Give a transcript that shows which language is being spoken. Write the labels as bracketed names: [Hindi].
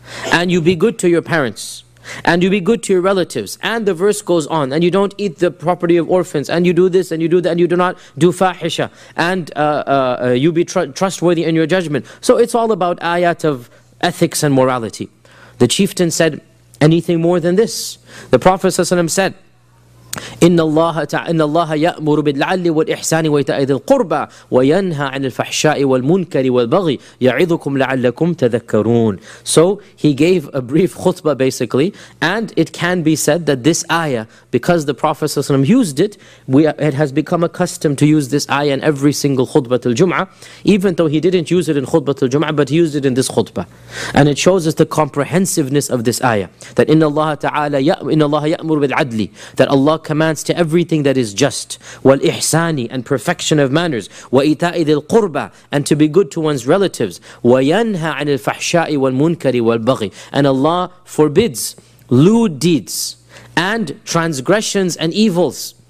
[English] And you be good to your parents. And you be good to your relatives. And the verse goes on. And you don't eat the property of orphans. And you do this and you do that. And you do not do fahisha. And you be trustworthy in your judgment. So it's all about ayat of ethics and morality. The chieftain said, anything more than this? The Prophet ﷺ said, [Arabic] إِنَّ اللَّهَ يَأْمُرُ بِالْعَلِّ وَالْإِحْسَانِ وَيْتَأَذِ الْقُرْبَى وَيَنْهَى عَنِ الْفَحْشَاءِ وَالْمُنْكَرِ وَالْبَغِي يَعِذُكُمْ لَعَلَّكُمْ تَذَكَّرُونَ. [English] So he gave a brief khutbah basically, and it can be said that this ayah, because the Prophet ﷺ used it, it has become accustomed to use this ayah in every single khutbah al-jum'ah, even though he didn't use it in khutbah al-jum'ah, but he used it in this khutbah. And it shows us the comprehensiveness of this ayah, that [Arabic] إِنَّ اللَّهَ يَأْمُرُ بِالْعَدْلِ, [English] that Allah commands to everything that is just, wal ihsani, and perfection of manners, [Arabic] wa ita'i dhil qurba, [English] and to be good to one's relatives, [Arabic] wa yanha 'anil fahsha'i wal munkari wal baghi, [English] and Allah forbids lewd deeds and transgressions and evils.